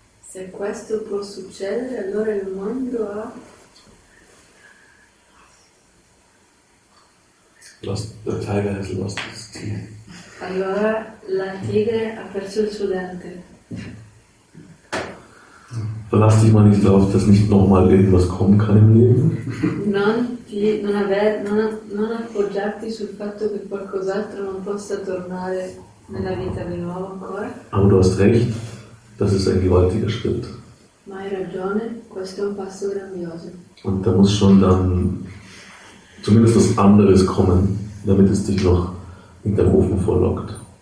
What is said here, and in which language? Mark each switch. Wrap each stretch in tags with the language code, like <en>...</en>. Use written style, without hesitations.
<it>Se questo può succedere, allora il mondo ha. La tigre ha perso il suo dente. Allora la tigre ha perso il suo dente.</it> <de>Verlass dich mal nicht darauf, dass nicht nochmal irgendwas kommen kann im Leben.</de> <it>Non appoggiarti sul fatto che qualcos'altro non possa tornare.</it> <de>Aber du hast recht, das ist ein gewaltiger Schritt. Und da muss schon dann zumindest was anderes kommen, damit es dich noch in den Ofen vorlockt.</de>